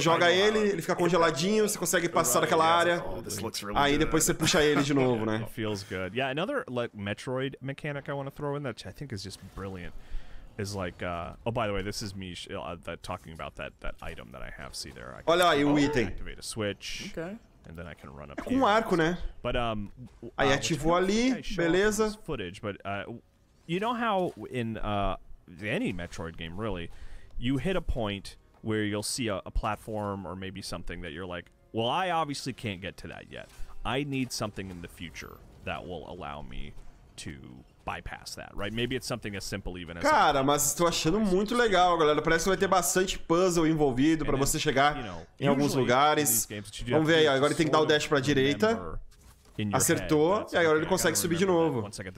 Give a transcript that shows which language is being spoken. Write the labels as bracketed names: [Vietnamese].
[Portuguese] joga ele, ele fica congeladinho, você consegue passar daquela área. Aí depois você puxa ele de novo, né? [English] Feels good. Yeah, another like Metroid mechanic I want to throw in that I think is just brilliant. Is like, oh, by the way, this is me talking about that item that I have. See there, I can item. Activate a switch, okay, and then I can run up. [Portuguese] É com arco, né? [English] But [Portuguese] aí ativou ali, beleza. [English] Footage, but you know how in any Metroid game, really, you hit a point where you'll see a platform or maybe something that you're like, well, I obviously can't get to that yet. I need something in the future that will allow me to. Bypass that, right? Maybe it's something as simple even as [Portuguese] cara, mas estou achando muito legal, galera. Parece que vai ter bastante puzzle envolvido para você chegar em alguns lugares. Vamos ver aí, agora ele tem que dar o dash para a direita. Acertou, e agora ele consegue subir de novo.